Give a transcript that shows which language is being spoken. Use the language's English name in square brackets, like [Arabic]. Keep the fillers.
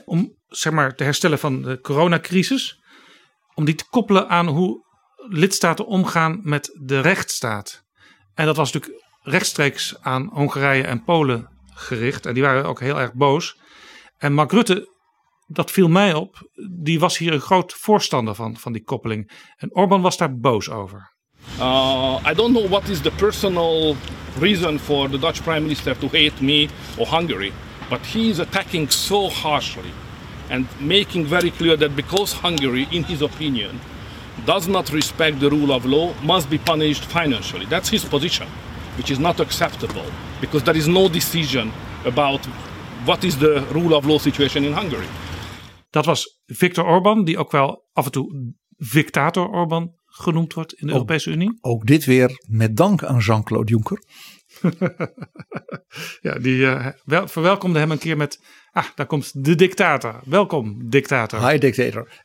[Dutch] Om zeg maar te herstellen van de coronacrisis. Om die te koppelen aan hoe lidstaten omgaan met de rechtsstaat. En dat was natuurlijk rechtstreeks aan Hongarije en Polen gericht. En die waren ook heel erg boos. En Mark Rutte, dat viel mij op, die was hier een groot voorstander van, van die koppeling. En Orbán was daar boos over. [English] Uh, I don't know what is the personal reason for the Dutch Prime Minister to hate me or Hungary, but he is attacking so harshly and making very clear that because Hungary, in his opinion, does not respect the rule of law, must be punished financially. That's his position, which is not acceptable because there is no decision about what is the rule of law situation in Hungary. That was Viktor Orban, [Dutch] die ook wel af en toe Victator Orban genoemd wordt in de ook, Europese Unie. Ook dit weer met dank aan Jean-Claude Juncker. ja, die uh, wel- verwelkomde hem een keer met. Ah, daar komt de dictator. Welkom, dictator. Hi, dictator.